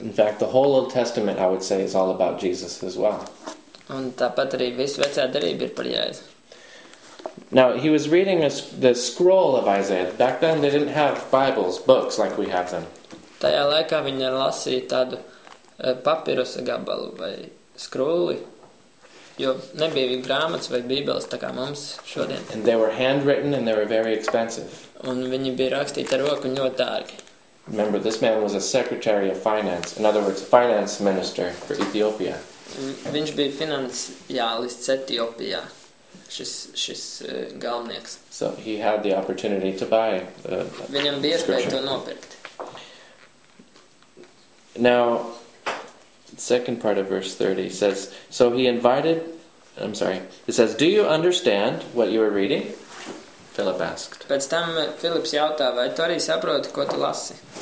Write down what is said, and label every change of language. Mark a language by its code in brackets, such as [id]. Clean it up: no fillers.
[en] In fact, the whole Old Testament, I would say, is all about Jesus as well. [lv] Un tāpat arī visu vecā darība ir par Jēzu. [en] Now, he was reading the scroll of Isaiah. Back then, they didn't have Bibles, books, like we have them. [lv] Tajā laikā viņi lasīja tādu papirusa gabalu vai skrulli, jo nebija grāmatas vai Bībeles tā kā mums šodien. [en] And they were handwritten and they were very expensive. [lv] Un viņi bija rakstīti ar roku un ļoti dārgi. [en] Remember, this man was a secretary of finance, in other words, a finance minister for Ethiopia. [lv] Viņš bija finansiālists Etiopijā, šis galvenieks. [en] So he had the opportunity to buy [lv] Viņam bija iespēja to nopirkt. [en] Now, second part of verse 30 says, so he invited, I'm sorry, it says, do you understand what you are reading? Philip asked. [lv] Pēc tam Philips jautā, vai tu arī saproti, ko tu lasi?